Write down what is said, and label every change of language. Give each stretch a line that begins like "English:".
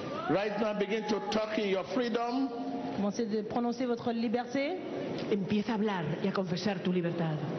English: Right now, begin to talk in your freedom.
French: Commencez de prononcer votre liberté.
Spanish: Empieza a hablar y a confesar tu libertad.